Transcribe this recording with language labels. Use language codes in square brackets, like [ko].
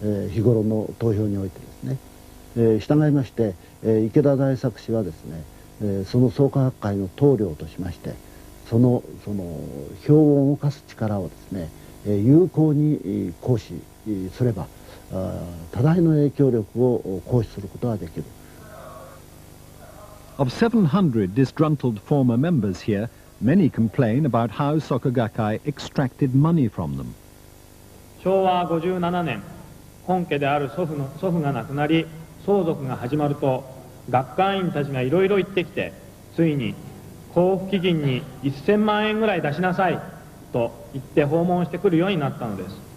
[ja] 日頃の投票においてですね、従いまして、池田大作氏はですね、その創価学会の棟梁としまして、その票を動かす力をですね、有効に行使すれば多大の影響力を行使することができる。 [en] Of 700 disgruntled former members here, many complain about how Soka Gakkai extracted money from them. [ja] 昭和57年、本家である祖父が亡くなり、相続が始まると、学会員たちがいろいろ言ってきて、ついに交付基金に1000万円ぐらい出しなさいと言って訪問してくるようになったのです。